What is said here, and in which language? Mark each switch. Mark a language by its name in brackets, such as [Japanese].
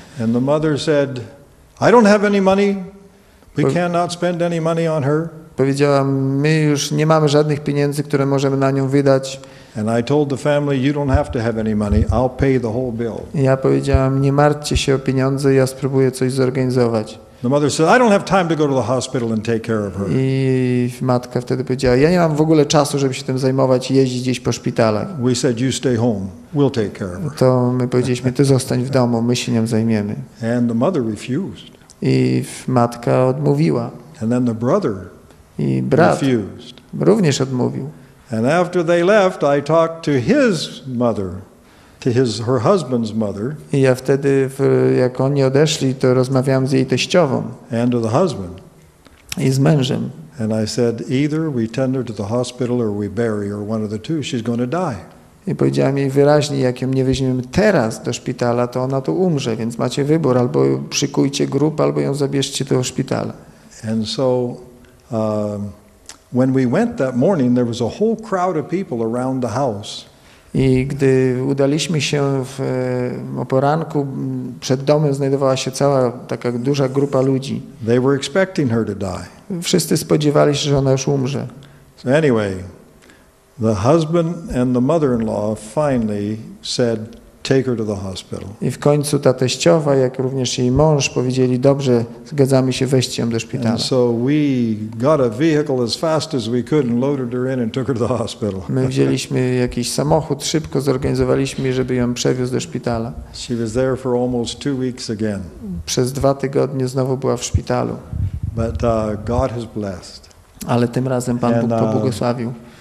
[English] And the mother said, I don't have any money. We cannot spend any money on her. [Polish] Powiedziała, my już nie mamy żadnych pieniędzy, które możemy na nią wydać. [English] And I told the family, you don't have to have any money, I'll pay the whole bill. [Polish] Ja powiedziałam, nie martwcie się o pieniądze, ja spróbuję coś zorganizować. [English] The mother said, I don't have time to go to the hospital and take care of her. [Polish] I matka wtedy powiedziała, ja nie mam w ogóle czasu, żeby się tym zajmować i jeździć gdzieś po szpitalach. [English] We said, you stay home, we'll take care of her. [Polish] To my powiedzieliśmy, ty zostań w domu, my się nią zajmiemy. [English] And the mother refused. [Polish] I matka odmówiła. [English] And then the brother. [Polish] I brat [English] refused. [Polish] Również odmówił. [English] And after they left, I talked to his mother, to his her husband's mother. [Polish] I ja wtedy, jak oni odeszli, to rozmawiałem z jej teściową. [English] And to the husband. [Polish] I z mężem. [English] And I said, either we tend her to the hospital or we bury her, one of the two. She's going to die. [Polish] I powiedziałem jej wyraźnie, jak ją nie weźmiemy teraz do szpitala, to ona tu umrze, więc macie wybór, albo przykujcie grób, albo ją zabierzcie do szpitala. [English] And so when we went that morning, there was a whole crowd of people around the house. [Polish] I gdy udaliśmy się w poranku, przed domem znajdowała się cała taka duża grupa ludzi. [English] They were expecting her to die. [Polish] Wszyscy spodziewali się, że ona już umrze. [English] So anyway, the husband and the mother-in-law finally said, take her to the hospital. [Polish] I w końcu ta teściowa, jak również jej mąż, powiedzieli, dobrze, zgadzamy się, weźcie ją do szpitala. [English] And so we got a vehicle as fast as we could and loaded her in and took her to the hospital. [Polish] My wzięliśmy jakiś samochód, szybko zorganizowaliśmy, żeby ją przewiózł do szpitala. [English] She was there for almost 2 weeks again. [Polish] Przez dwa tygodnie znowu była w szpitalu. [English] But God has blessed. [Polish] Ale tym razem Pan Bóg pobłogosławił.